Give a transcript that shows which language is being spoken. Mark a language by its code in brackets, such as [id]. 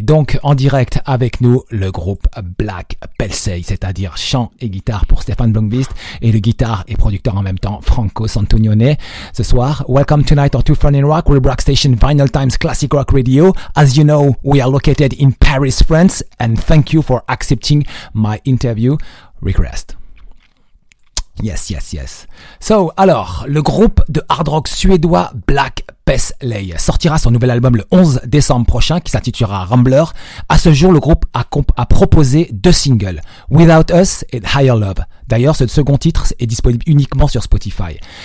[fr] Donc, en direct avec nous, le groupe Black Pelsey, c'est-à-dire chant et guitare pour Stefan Blomqvist et le guitare et producteur en même temps, Franco Santonione, ce soir. [en] Welcome tonight on 213 Rock, Web Rock Station, Vinyl Times, Classic Rock Radio. As you know, we are located in Paris, France, and thank you for accepting my interview request. Yes. [fr] So, alors, le groupe de hard rock suédois Black Pest Lay sortira son nouvel album le 11 décembre prochain qui s'intitulera Rambler. À ce jour, le groupe a proposé deux singles, Without Us et Higher Love. D'ailleurs, ce second titre est disponible uniquement sur Spotify.